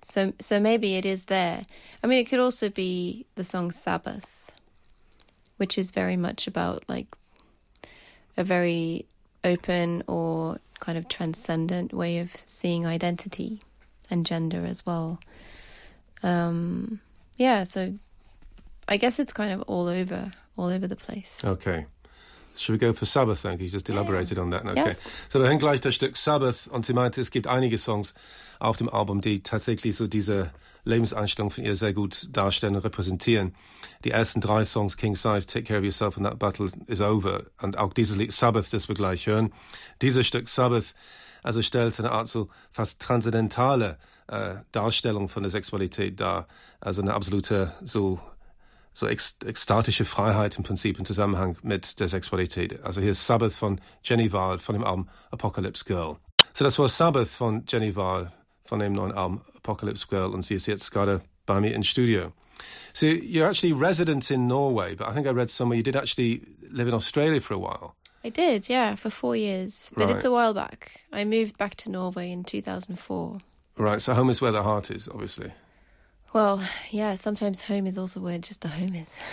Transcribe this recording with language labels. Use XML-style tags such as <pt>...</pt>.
<en>So maybe it is there. I mean, it could also be the song Sabbath, which is very much about like a very open or kind of transcendent way of seeing identity and gender as well. So I guess it's kind of all over the place. Okay. Should we go for Sabbath then? You just elaborated on that. Okay. Yeah.</en> <de>So wir hören gleich das Stück Sabbath, und sie meinte, es gibt einige Songs auf dem Album, die tatsächlich so diese Lebenseinstellung von ihr sehr gut darstellen und repräsentieren. Die ersten drei Songs, King Size, Take Care of Yourself and That Battle Is Over, und auch dieses Lied Sabbath, das wir gleich hören. Dieses Stück Sabbath, also stellt eine Art so fast transzendentale Darstellung von der Sexualität dar. Also eine absolute so ekstatische Freiheit im Prinzip im Zusammenhang mit der Sexualität. Also hier ist Sabbath von Jenny Wahl von dem Album Apocalypse Girl. So das war Sabbath von Jenny Wahl von dem neuen Album Apocalypse Girl, und sie ist jetzt gerade bei mir im Studio.</de> <en>So you're actually resident in Norway, but I think I read somewhere you did actually live in Australia for a while. I did, yeah, for 4 years. But right. It's a while back. I moved back to Norway in 2004. Right, so home is where the heart is, obviously. Well, yeah, sometimes home is also where just the home is.</en>